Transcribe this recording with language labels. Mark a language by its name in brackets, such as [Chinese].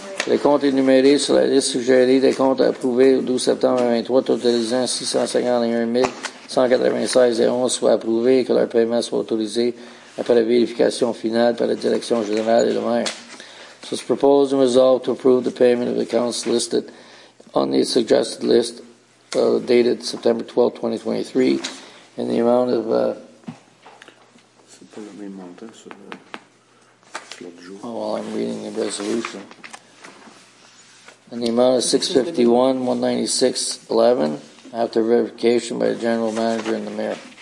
[French] Les comptes énumérés sur la liste suggérée des comptes approuvés au 12 septembre 2023, totalisant 651,196,11, soit approuvé et que leur paiement soit autorisé après la vérification finale par la Direction générale et le maire. [English] So it's proposed and resolved to approve the payment of accounts listed on the suggested list dated September 12, 2023 in the amount of... [French] C'est pas le même montant sur l'autre jour. [English] Oh, well, I'm reading the resolution. In the amount of $651,196,11 after verification by the general manager and the mayor.